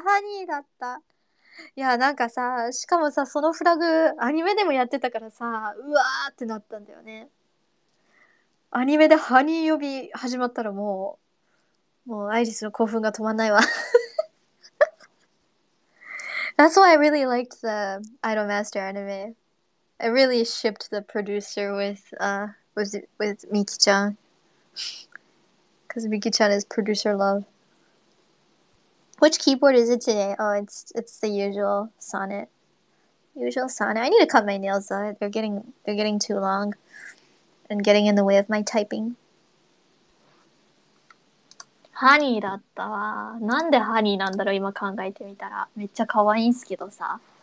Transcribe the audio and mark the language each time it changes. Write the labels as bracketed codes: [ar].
[ja] ハニーだった。いや、なんかさ、しかもさ、そのフラグ、アニメでもやってたからさ、うわーってなったんだよね。アニメでハニー呼び始まったらもう、アイリスの興奮が止まんないわ。 [en] That's why I really liked the Idolmaster anime. I really shipped the producer with Miki-chan. Because Miki-chan is producer love. Which keyboard is it today? Oh, it's the usual Sonnet. Usual Sonnet. I need to cut my nails though. They're getting too long and getting in the way of my typing. [ja] Honey だったわ。なんで Honey なんだろう、今考えてみたら。めっちゃ可愛いんすけどさ。